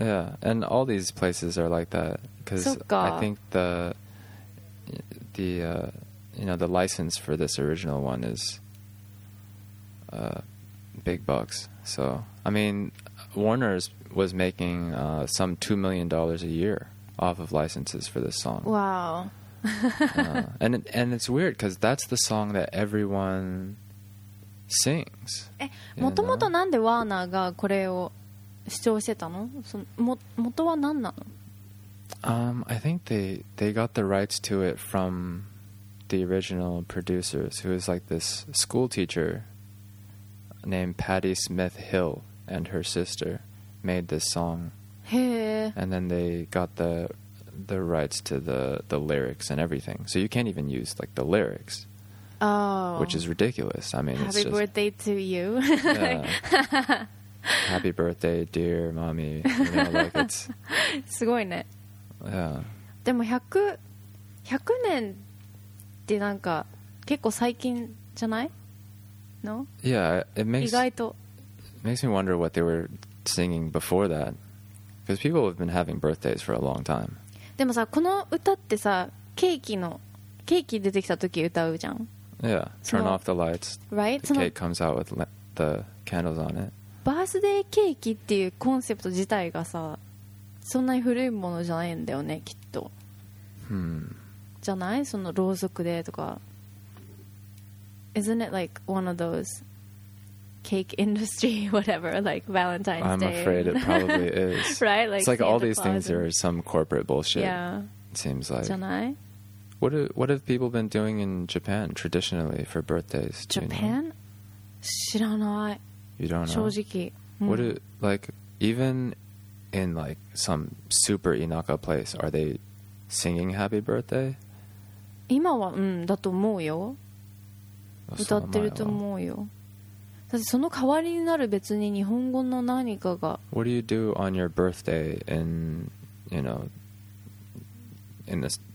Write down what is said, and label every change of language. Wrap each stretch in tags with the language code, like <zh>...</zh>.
<en>Yeah, and all these places are like that. Because I think the license for this original one is big bucks. So, I mean, Warner was making some $2 million a year off of licenses for this song. Wow. and it's weird because that's the song that everyone sings.</en> <ja>もともとなんでワーナーがこれを主張してたの？もとは何なの？</ja> <en>I think they got the rights to it from the original producers, who is like this school teacher named Patti Smith Hill, and her sister made this song.</en> <ja>へえ。</ja> <en>And then they got the rights to the lyrics and everything, so you can't even use like the lyrics. Oh, which is ridiculous. I mean, happy birthday to you. Yeah. Happy birthday, dear mommy. You know, like</en> <ja>すごいね。</ja> <en>Yeah.</en> <ja>でも100年ってなんか結構最近じゃない？</ja> <en>No. Yeah, it makes</en> <ja>意外と</ja> <en>makes me wonder what they were singing before that, because people have been having birthdays for a long time.</en> <ja>でもさ、この歌ってさ、ケーキ出てきた時歌うじゃん。</ja> <en>Yeah, turn off the lights. Right? The cake comes out with the candles on it.</en> <ja>バースデーケーキっていうコンセプト自体がさ、そんなに古いものじゃないんだよね、きっと。じゃない？そのろうそくでとか。</ja> <en>Isn't it like one of those cake industry, whatever, like Valentine's Day. I'm afraid it probably is. Right? Like, it's like all these things are some corporate bullshit. Yeah. It seems like.</en> <ja>Janai?</ja> <en>What have people been doing in Japan traditionally for birthdays?</en> <ja>Japan? 知らない。</ja> <en>You don't know?</en> <ja>正直。</ja> <en>What like, even in like some super inaka place, are they singing happy birthday?</en> <ja>今は、だと思うよ。歌ってると思うよ。だってその代わりになる別に日本語の何かが。</ja> <en>What do you do on your birthday in, you know, in this</en>